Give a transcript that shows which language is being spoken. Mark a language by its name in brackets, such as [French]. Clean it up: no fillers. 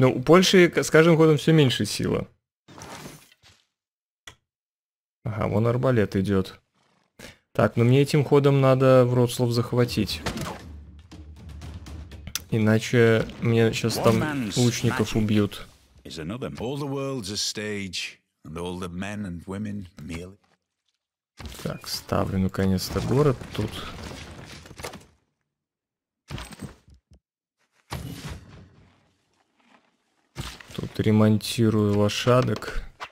[Russian] Ну, у Польши с каждым годом все меньше сила. Ага, вон арбалет идет. Так, ну мне этим ходом надо Вроцлав захватить. Иначе мне сейчас там лучников убьют. [English] is another. All the world's a stage, and all the men and women merely. [Russian] Так, ставлю наконец-то город тут. Тут ремонтирую лошадок.